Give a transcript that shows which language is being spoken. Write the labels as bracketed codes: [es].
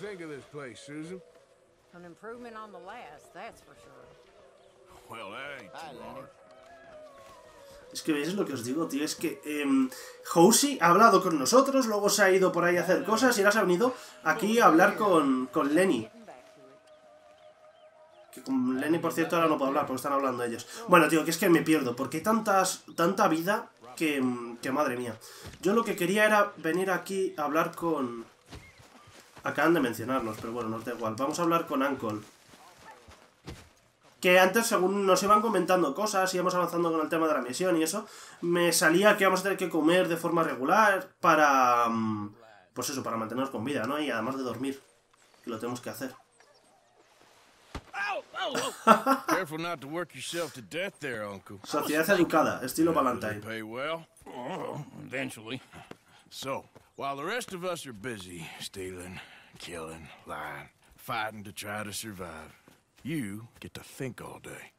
[en] What do you think of this place, Susan? An improvement on the last, that's for sure. Well, that ain't too hard. [es] Es que veis lo que os digo, tío. Es que Hosey ha hablado con nosotros, luego se ha ido por ahí a hacer cosas y ahora se ha venido aquí a hablar con Lenny. Con Lenny, por cierto, ahora no puedo hablar porque están hablando ellos. Bueno, tío, que es que me pierdo. Porque hay tanta vida que madre mía. Yo lo que quería era venir aquí a hablar con... Acaban de mencionarnos, pero bueno, nos da igual. Vamos a hablar con Uncle. Que antes, según nos iban comentando cosas, íbamos avanzando con el tema de la misión y eso, me salía que íbamos a tener que comer de forma regular para... Pues eso, para mantenernos con vida, ¿no? Y además de dormir. Que lo tenemos que hacer. ¡Au! [en] Careful not to work yourself to death there, Uncle. [es] Sociedad educada, estilo Valentine. [en] Pay well, eventually. So, while the rest of us are busy stealing, killing, lying, fighting to try to survive, you get to think all day.